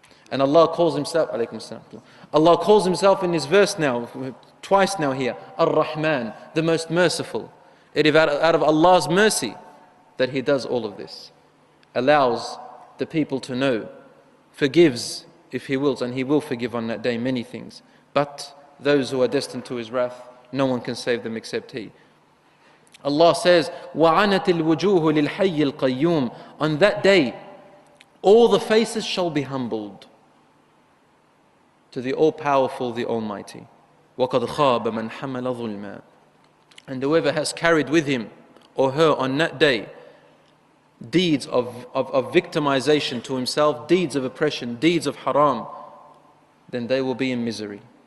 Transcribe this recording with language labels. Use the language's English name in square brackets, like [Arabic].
[English] And Allah calls himself, alaykum as-salam, Allah calls himself in this verse now, twice now here, Ar-Rahman, the most merciful. It is out of Allah's mercy that he does all of this, allows the people to know, forgives if he wills, and he will forgive on that day many things. But those who are destined to his wrath, no one can save them except he. Allah says, [Arabic] وَعَنَتِ الْوُجُوهُ لِلْحَيِّ الْقَيُّومِ. [English] On that day, all the faces shall be humbled to the All-Powerful, the Almighty. [Arabic] وَقَدْ خَابَ مَنْ حَمَلَ ظُلْمًا. [English] And whoever has carried with him or her on that day deeds of victimization to himself, deeds of oppression, deeds of haram, then they will be in misery.